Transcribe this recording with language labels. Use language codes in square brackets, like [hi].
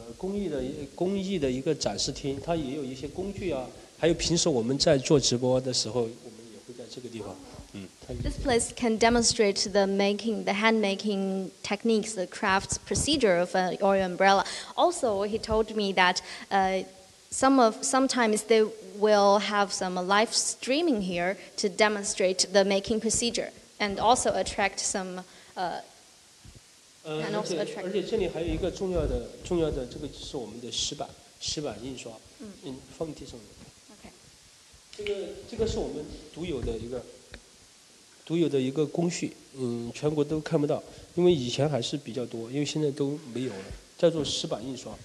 [zh] 工艺的一个展示厅，它也有一些工具啊，还有平时我们在做直播的时候，我们也会在这个地方。 [en] This place can demonstrate the hand making techniques, the crafts procedure of an oil umbrella. Also, he told me that sometimes they will have some live streaming here to demonstrate the making procedure and also attract some. [zh] 而且这里还有一个重要的，这个就是我们的石板印刷，放地上的。 [en] Okay. [zh] 这个是我们独有的一个工序，全国都看不到，因为以前还是比较多，因为现在都没有了，叫做石板印刷。